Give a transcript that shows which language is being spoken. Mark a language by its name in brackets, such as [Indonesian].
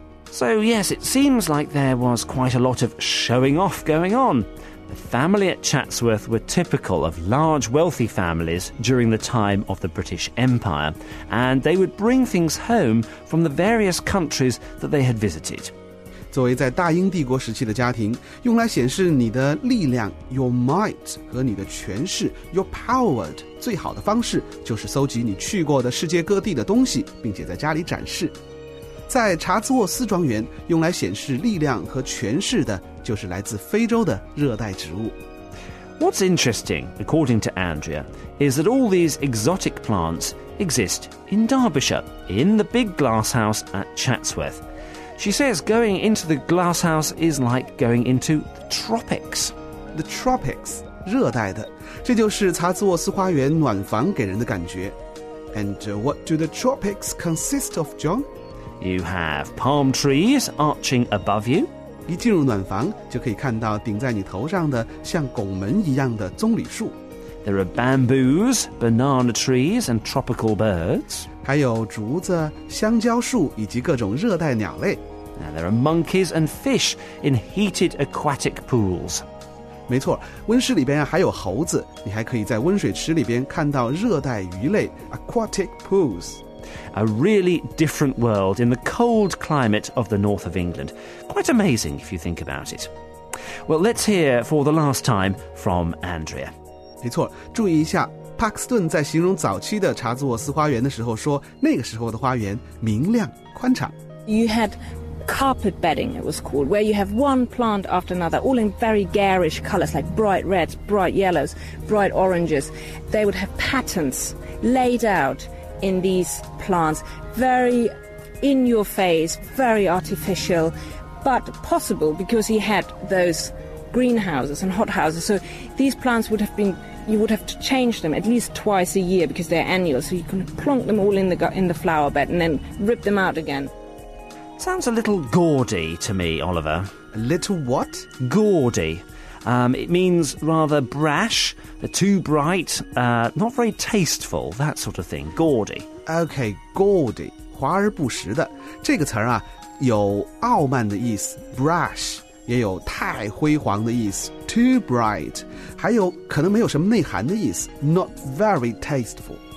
[English] So, yes, it seems like there was quite a lot of showing off going on. The family at Chatsworth were typical of large wealthy families during the time of the British Empire, and they would bring things home from the various countries that they had visited. [Chinese] 作为在大英帝国时期的家庭，用来显示你的力量 [English] your might [Chinese] 和你的权势 [English] your power [Chinese] 最好的方式就是搜集你去过的世界各地的东西，并且在家里展示。在查兹沃斯庄园用来显示力量和权势的就是来自非洲的热带植物。 [English] What's interesting, according to Andrea, is that all these exotic plants exist in Derbyshire, in the big glass house at Chatsworth. She says going into the glass house is like going into the tropics. The tropics, [Chinese] 热带的，这就是查兹沃斯花园暖房给人的感觉。 [English] And what do the tropics consist of, John? You have palm trees arching above you. [Chinese] 一进入暖房，就可以看到顶在你头上的像拱门一样的棕榈树。 [English] There are bamboos, banana trees, and tropical birds. [Chinese] 还有竹子、香蕉树以及各种热带鸟类。 [English] Now, there are monkeys and fish in heated aquatic pools. [Chinese] 没错，温室里边还有猴子。你还可以在温水池里边看到热带鱼类 [English] aquatic pools. A really different world in the cold climate of the north of England. Quite amazing if you think about it. Well, let's hear for the last time from Andrea. [Chinese] 没错，注意一下，帕克斯顿在形容早期的查兹沃斯花园的时候说，那个时候的花园明亮宽敞。 [English] You had carpet bedding, it was called, where you have one plant after another, all in very garish colors, like bright reds, bright yellows, bright oranges. They would have patterns laid out. In these plants, very in your face, very artificial, but possible because he had those greenhouses and hothouses. So these plants would have been, you would have to change them at least twice a year because they're annual. So you can plonk them all in the flower bed and then rip them out again. Sounds a little gaudy to me, Oliver. A little what? Gaudy. It means rather brash, too bright, not very tasteful, that sort of thing, gaudy. Okay, gaudy, [Chinese] 华而不实的。这个词啊，有傲慢的意思 ,brash, 也有太辉煌的意思 , [English] too bright, [Chinese] 还有可能没有什么内涵的意思 , [English] not very tasteful.